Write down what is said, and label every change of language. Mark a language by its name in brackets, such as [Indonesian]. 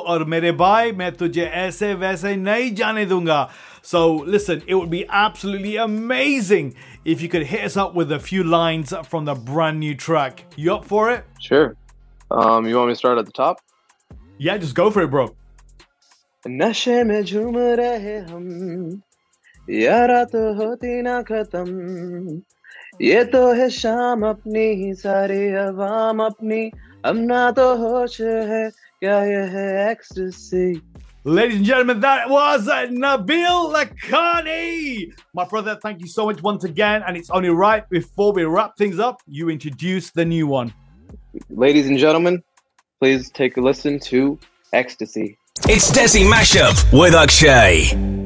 [Hindi] Aur mere bhai, main tujhe aise vaise nahi jaane dunga. [English] So listen, it would be absolutely amazing if you could hit us up with a few lines from the brand new track. You up for it? Sure. You want me to start at the top? Yeah, just go for it, bro. [Hindi] नशे में झूम रहे हम यारा तो होती ना खत्म ये तो है शाम अपनी ही सारी आवाम अपनी अब ना तो होश है क्या ये है ecstasy. [English] Ladies and gentlemen, that was Nabil Lakhani. My brother, thank you so much once again. And it's only right before we wrap things up, you introduce the new one. Ladies and gentlemen, please take a listen to Ecstasy. It's Desi Mashup with Akshay.